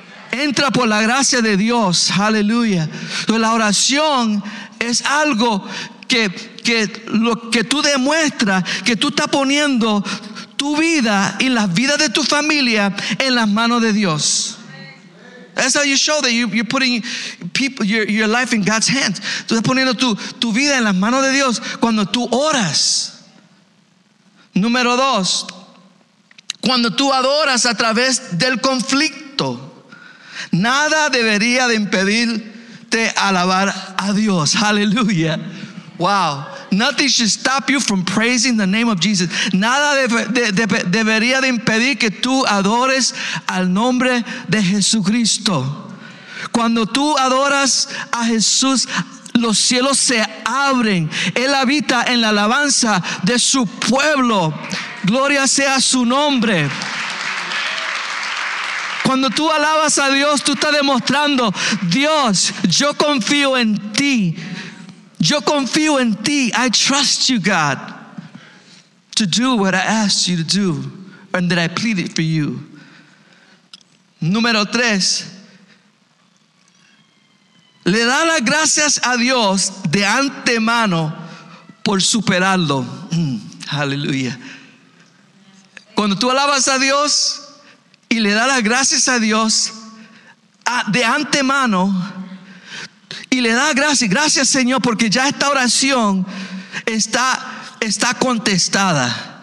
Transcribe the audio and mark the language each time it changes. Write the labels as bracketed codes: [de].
[es] Entra por la gracia de Dios, aleluya. Entonces, la oración es algo que lo que tú demuestras, que tú estás poniendo tu vida y la vida de tu familia en las manos de Dios. [en] That's how you show that you're putting people your life in God's hands. [es] Tú estás poniendo tu vida en las manos de Dios cuando tú oras. Número dos, cuando tú adoras a través del conflicto, nada debería de impedirte alabar a Dios. Aleluya. Wow. [en] Nothing should stop you from praising the name of Jesus. [es] Nada debería de impedir que tú adores al nombre de Jesucristo. Cuando tú adoras a Jesús, los cielos se abren. Él habita en la alabanza de su pueblo. Gloria sea su nombre. Cuando tú alabas a Dios, tú estás demostrando, Dios, yo confío en ti. Yo confío en ti. [en] I trust you, God, to do what I asked you to do and that I pleaded for you. [es] Número tres, le da las gracias a Dios de antemano por superarlo. Aleluya. Cuando tú alabas a Dios y le das las gracias a Dios de antemano, y le da gracias, gracias Señor, porque ya esta oración está contestada.